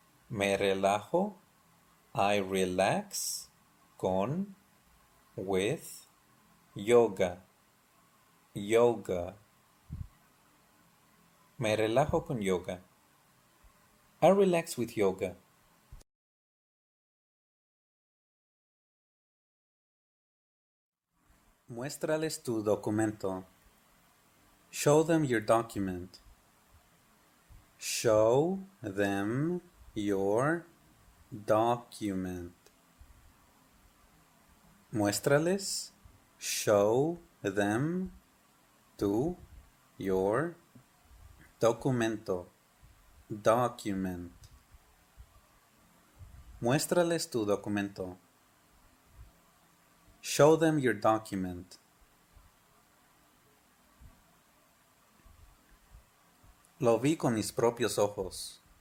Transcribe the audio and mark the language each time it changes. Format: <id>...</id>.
<es>Me relajo.</es> <en>I relax</en> <es>con,</es> <en>with,</en> <es>yoga. Yoga. Me relajo con yoga.</es> <en>I relax with yoga.</en> <es>Muéstrales tu documento.</es> <en>Show them your document. Show them your document.</en> <es>Muéstrales.</es> <en>Show them</en> <es>tu</es> <en>your</en> <es>documento.</es> <en>Document.</en> <es>Muéstrales tu documento.</es> <en>Show them your document.</en> <es>Lo vi con mis propios ojos.</es>